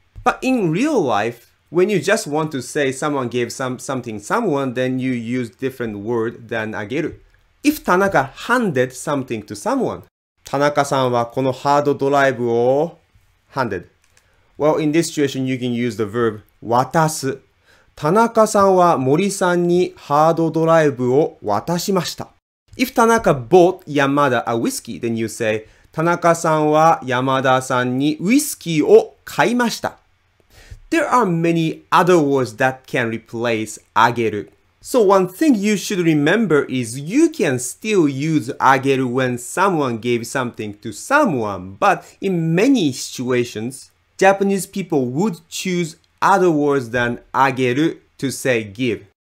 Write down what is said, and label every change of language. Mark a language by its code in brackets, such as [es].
[en] But in real life, when you just want to say someone gave something someone, then you use different word than あげる. If Tanaka handed something to someone, [ja] Tanaka さんはこのハードドライブを handed. [en] Well, in this situation, you can use the verb [ja] 渡す。田中さんは森さんにハードドライブを渡しました。 [en] If 田中 bought Yamada a whiskey, then you say [ja] 田中さんは山田さんにウイスキーを買いました。 [en] There are many other words that can replace あげる。 So one thing you should remember is you can still use あげる when someone gave something to someone, but in many situations,Japanese people would choose other words than あげる to say give.